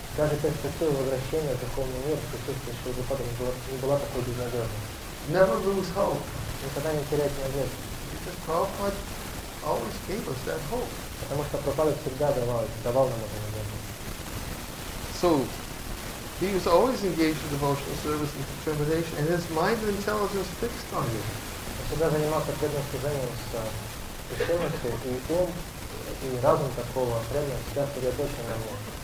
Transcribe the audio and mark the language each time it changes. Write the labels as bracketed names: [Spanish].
[Russian] Даже перспектива возвращения в духовный мир в присутствии Шрилы Прабхупады не была такой безнадежной. [English] Never lose hope. [Russian] Никогда не терять надежды. [English] Because Prabhupada always gave us that hope. [Russian] Потому что Прабхупада всегда давал нам эту надежду. [English] So, he was always engaged in devotional service and determination, and his mind and intelligence fixed on him. [Russian] Он всегда занимался преданным служением с решимостью, и ум, и разум такого преданного всегда сосредоточен на нем.